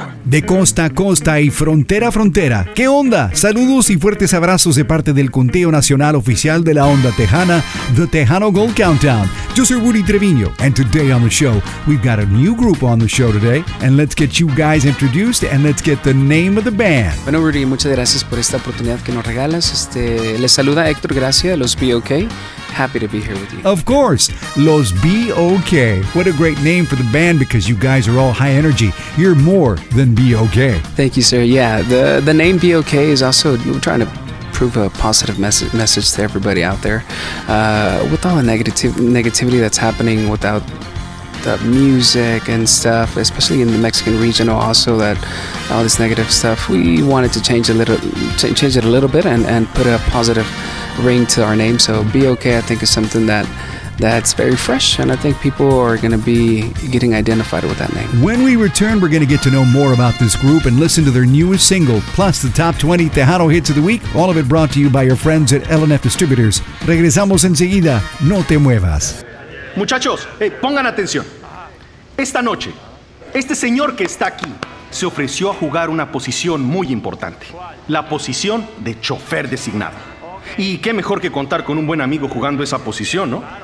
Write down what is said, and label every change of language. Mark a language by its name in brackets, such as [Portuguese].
[Spanish] De costa a costa y frontera a frontera. ¿Qué onda? Saludos y fuertes abrazos de parte del conteo nacional oficial de la onda tejana, The Tejano Gold Countdown. Yo soy [English] Rudy Treviño, and today on the show, we've got a new group on the show today, and let's get you guys introduced, and let's get the name of the band. [Spanish] Bueno, Rudy, muchas gracias por esta oportunidad que nos regalas. Les saluda Héctor Gracia, los B.O.K. [English] Happy to be here with you. Of course, los B.O.K. What a great name for the band, because you guys are all high energy. You're more than B.O.K. Thank you, sir. Yeah, the name B.O.K. is also, we're trying to prove a positive message to everybody out there. With all the negativity that's happening without the music and stuff, especially in the Mexican region, also that all this negative stuff, we wanted to change it a little bit and put a positive ring to our name. So B.O.K. I think is something that's very fresh, and I think people are going to be getting identified with that name. When we return, we're going to get to know more about this group and listen to their newest single, plus the top 20 Tejano hits of the week, all of it brought to you by your friends at L&F Distributors. [Spanish] Regresamos enseguida. No te muevas. Muchachos, hey, pongan atención. Esta noche, este señor que está aquí se ofreció a jugar una posición muy importante. La posición de chofer designado. Y qué mejor que contar con un buen amigo jugando esa posición, ¿no?